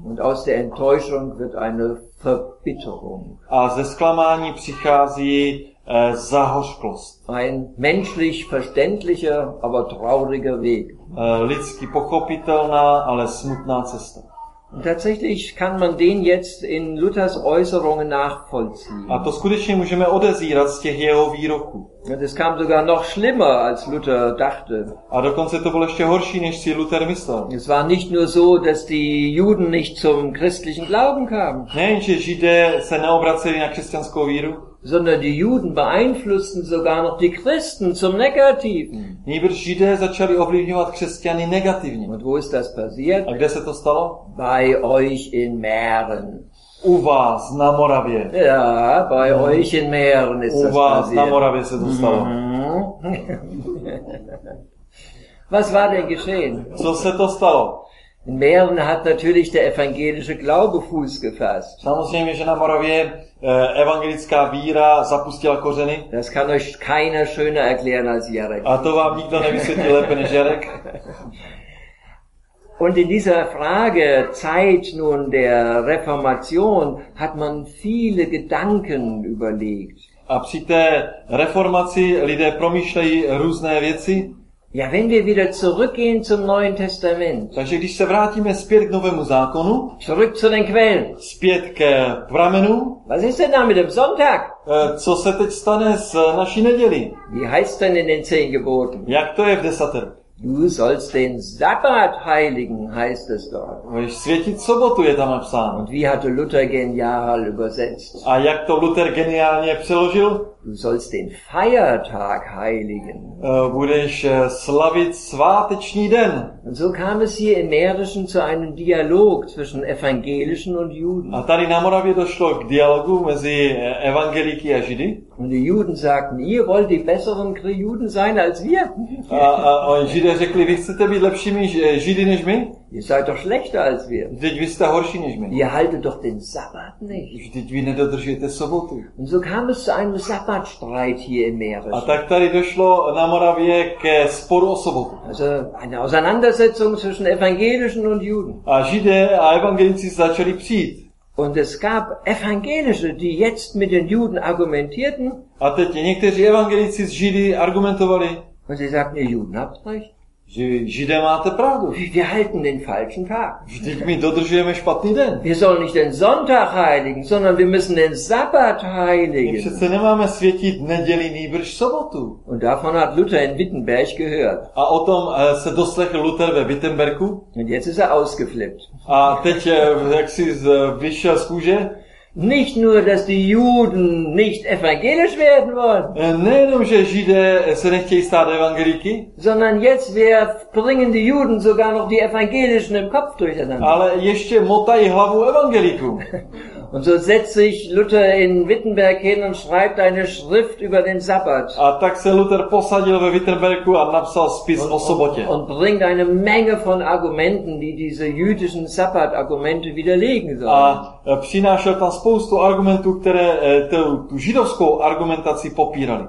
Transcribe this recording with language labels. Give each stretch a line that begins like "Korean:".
German: Und aus der Enttäuschung wird eine Verbitterung.
Czech: A ze zklamání přichází zahořklost.
German: Ein menschlich verständlicher, aber trauriger Weg.
Czech: Lidsky pochopitelná, ale smutná cesta.
German: Und tatsächlich kann man den jetzt in Luthers Äußerungen nachvollziehen.
Czech: A to skutečně můžeme odezírat z těch jeho výroků.
German: Und es kam sogar noch schlimmer, als Luther dachte.
Czech: A dokonce to bylo ještě horší, než si Luther myslel.
German: Es war nicht nur so, dass die Juden nicht zum christlichen Glauben kamen.
Czech: Nejenže Židé se neobraceli na křesťanskou víru.
German: Sondern die Juden beeinflussten sogar noch die Christen zum Negativen.
Czech: Nýbrž Židé začali ovlivňovat křesťany negativně.
German: Und wo ist das passiert?
Czech: A kde se to stalo?
German: Bei euch in Mähren.
Czech: U vás na Moravě.
German: Ja, bei euch in Mähren ist
Czech: u
German: das
Czech: vás
German: passiert.
Czech: Na Moravě se to stalo.
German: Was war denn geschehen?
Czech: Co se to stalo?
German: In Mähren hat natürlich der evangelische Glaube Fuß gefasst.
Czech: Samozřejmě, že na Moravě evangelická víra zapustila kořeny.
German: Das kann euch keiner schöner erklären als Jarek.
Czech: A to vám nikdo nevysvětlí lépe než Jarek.
German: Und in dieser Frage Zeit nun der Reformation hat man viele Gedanken überlegt.
Czech: A při té reformaci lidé promýšlejí různé věci.
German: Ja, wenn wir wieder zurückgehen zum Neuen Testament.
Czech: Takže když se vrátíme zpět k Novému zákonu.
German: Zurück zu den Quellen.
Czech: Zpět k pramenu.
German: Was ist denn da mit dem Sonntag?
Czech: Co se teď stane s naší neděli?
German: Wie heißt denn in den zehn Geboten?
Czech: Jak to je v desateru?
German: Du sollst den Sabbat heiligen, heißt es dort.
Czech: Můžeš světit sobotu, je tam napsáno.
German: Und wie hatte Luther genial übersetzt?
Czech: A jak to Luther geniálně přeložil?
German: Du sollst den Feiertag heiligen.
Czech: Budeš slavit sváteční den.
German: Und so kam es hier im Mährischen zu einem Dialog zwischen Evangelischen und Juden.
Czech: A tady na Moravě došlo k dialogu mezi evangeliky a Židy.
German: Und die Juden sagten, ihr wollt die besseren Juden sein als wir.
Czech: A Židé řekli, vy chcete být lepšími Židy než my?
German: Ihr seid doch schlechter als wir.
Czech: Vždyť vy jste horší než my.
German: Ihr haltet doch den Sabbat nicht.
Czech: Vždyť vy nedodržujete sobotu.
German: Und so kam es zu einem Sabbatstreit hier im Mährischen.
Czech: A tak tady došlo na Moravě ke sporu o sobotu.
German: Also eine Auseinandersetzung zwischen Evangelischen und Juden.
Czech: A Židé a evangelici začali přijít.
German: Und es gab Evangelische, die jetzt mit den Juden argumentierten.
Czech: A teď někteří evangelici s Židy argumentovali.
German: Und sie sagten, ihr Juden habt recht.
Czech: Židé máte pravdu.
German: Wir halten den falschen Tag.
Czech: Vždyť my dodržujeme špatný den.
German: Wir sollen nicht den Sonntag heiligen, sondern wir müssen den Sabbat heiligen.
Czech: My přece nemáme světit neděli, nýbrž sobotu.
German: Und davon hat Luther in Wittenberg gehört.
Czech: A o tom se doslechl Luther ve Wittenberku.
German: Und jetzt ist ausgeflippt.
Czech: A teď jak si vyšel z kůže.
German: Nicht nur, dass die Juden nicht evangelisch werden wollen.
Czech: Nejenom, že Židé se nechtějí stát evangeliky.
German: Sondern jetzt bringen die Juden sogar noch die Evangelischen im Kopf durcheinander.
Czech: Ale ještě motají hlavu evangelikům.
German: Und so setzt sich Luther in Wittenberg hin und schreibt eine Schrift über den Sabbat.
Czech: A tak se Luther posadil ve Wittenbergu a napsal spis o sobotě.
German: Und bringt eine Menge von Argumenten, die diese jüdischen Sabbat-Argumente widerlegen sollen.
Czech: A přinášel tam spoustu argumentů, které tu židovskou argumentaci popírali.